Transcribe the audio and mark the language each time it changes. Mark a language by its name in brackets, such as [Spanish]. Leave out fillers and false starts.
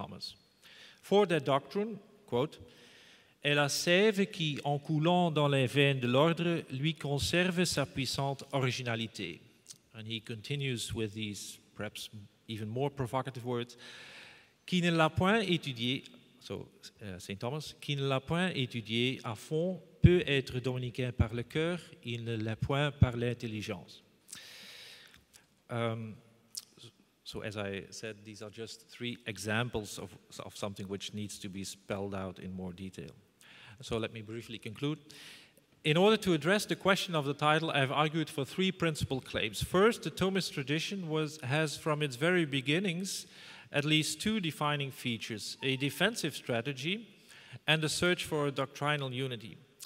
[French] Thomas. [English] For that doctrine, quote, [French] est la sève qui, en coulant dans les veines de l'ordre, lui conserve sa puissante originalité. [English] And he continues with these perhaps even more provocative words, [French] qui ne l'a point étudié, [English] St. [French] Thomas, qui ne l'a point étudié à fond, peut être dominicain par le cœur, il ne l'a point par l'intelligence. [English] So as I said, these are just three examples of something which needs to be spelled out in more detail. So let me briefly conclude. In order to address the question of the title, I have argued for three principal claims. First, the Thomist tradition has from its very beginnings at least two defining features, a defensive strategy and a search for a doctrinal unity.